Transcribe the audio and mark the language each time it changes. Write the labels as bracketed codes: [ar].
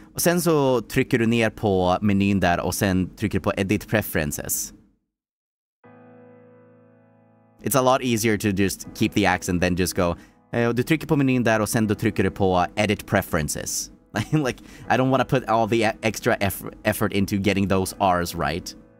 [sv] Och sen så trycker du ner på menyn där och sen trycker du på Edit Preferences. [en] It's a lot easier to just keep the accent than just go... [sv] du trycker på menyn där och sen du trycker på Edit Preferences. [en] Like, I don't want to put all the extra effort into getting those R's right.